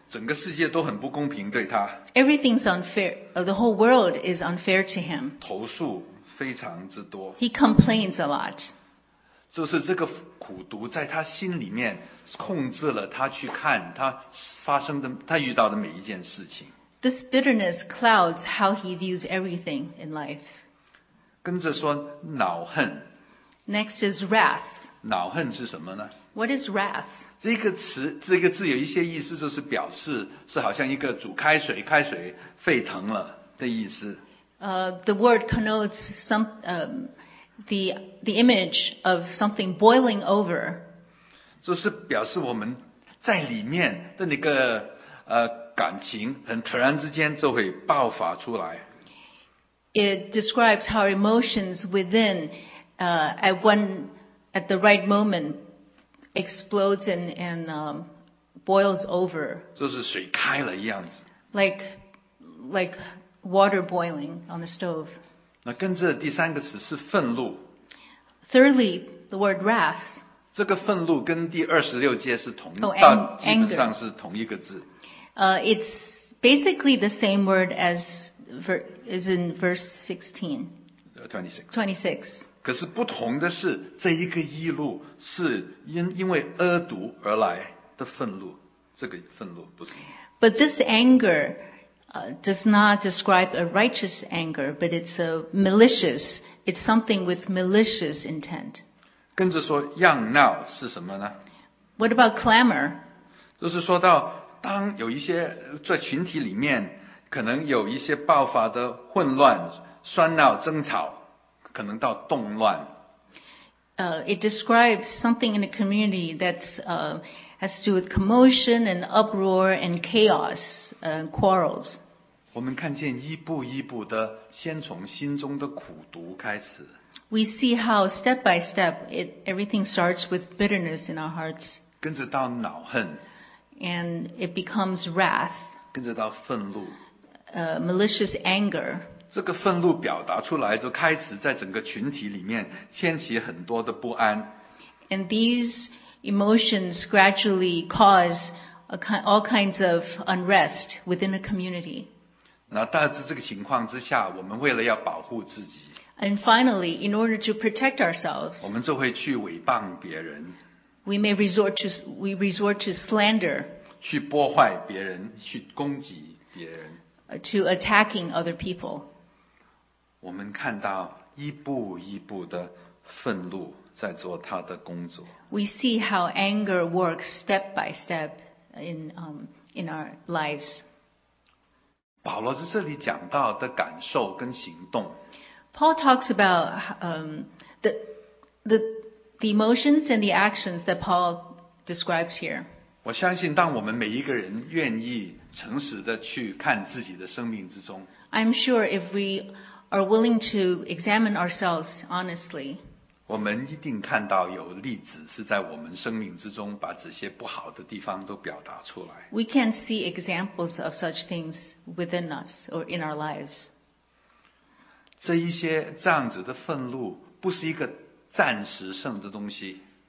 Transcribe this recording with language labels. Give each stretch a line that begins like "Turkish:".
Chinese: 整个世界都很不公平对他。
English: Everything's unfair. The whole world is unfair to him.
Chinese: 投诉非常之多。
English: He complains a lot.
Chinese: 就是这个苦毒在他心里面控制了他去看他发生的他遇到的每一件事情。
English: This bitterness clouds how he views everything in life.
Chinese: 跟着说恼恨。
English: Next is wrath.
Chinese: 恼恨是什么呢
English: ？What is wrath？
Chinese: 这个词，这个字有一些意思，就是表示是好像一个煮开水，开水沸腾了的意思。
English: The word connotes the image of something boiling over.
Chinese: 就是表示我们在里面的那个感情很突然之间就会爆发出来。
English: It describes how emotions within, at the right moment, explodes and boils over.
Chinese: 就是水开了一样子。
English: Like water boiling on the stove.
Chinese: 那跟着第三个词是愤怒。
English: Thirdly, the word wrath.
Chinese: 这个愤怒跟第二十六节是同，基本上是同一个字。
English: It's basically the same word as in verse 26.
Chinese: 可是不同的是，这一个义怒是因为恶毒而来的愤怒，这个愤怒不是。
English: But this anger, does not describe a righteous anger, but it's a malicious. It's something with malicious intent.
Chinese: 跟着说，嚷闹是什么呢
English: ？What about clamor?
Chinese: 就是说到。当有一些在群体里面可能有一些爆发的混乱喧闹争吵可能到动乱。
English: It describes something in a community that's, has to do with commotion and uproar and chaos, quarrels.
Chinese: 我们看见一步一步的先从心中的苦毒开始。
English: We see how step by step everything starts with bitterness in our hearts.
Chinese: 跟着到恼恨。
English: And it becomes wrath,
Chinese: 跟着到愤怒
English: malicious anger.
Chinese: 这个愤怒表达出来，就开始在整个群体里面掀起很多的不安。
English: And these emotions gradually cause all kinds of unrest within a community.
Chinese: 那大致这个情况之下，我们为了要保护自己
English: ，And finally, in order to protect ourselves,
Chinese: 我们就会去诽谤别人。
English: We may resort to slander.
Chinese: 去破坏别人，去攻击别人。
English: To attacking other people.
Chinese: 我们看到一步一步的愤怒在做他的工作。
English: We see how anger works step by step in our lives.
Chinese: 保罗在这里讲到的感受跟行动。
English: Paul talks about the emotions and the actions that Paul describes here.
Chinese: 我相信当我们每一个人愿意诚实地去看自己的生命之中
English: I'm sure if we are willing to examine ourselves honestly,
Chinese: 我们一定看到有例子是在我们生命之中把这些不好的地方都表达出来
English: We can see examples of such things within us or in our lives.
Chinese: 这一些这样子的愤怒不是一个暂时性的东西。